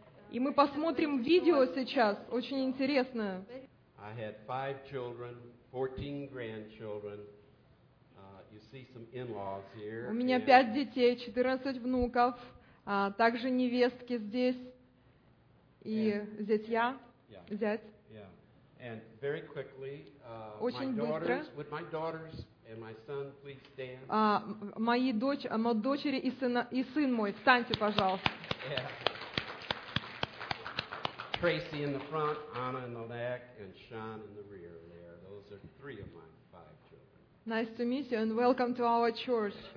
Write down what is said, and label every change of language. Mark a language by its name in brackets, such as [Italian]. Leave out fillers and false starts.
[Russian] И мы посмотрим видео сейчас, очень интересное. [English] I had 5 children, 14 grandchildren. You see some in-laws here. [Russian] У меня 5 детей, 14 внуков, также невестки здесь и зятья. [English] And very quickly, my daughters and my son, please stand. [Russian] Мои дочери и сын мой, встаньте, пожалуйста. [English] Tracy in the front, Anna in the back, and Sean in the rear there. Those are 3 of my 5 children. Nice to meet you, and welcome to our church.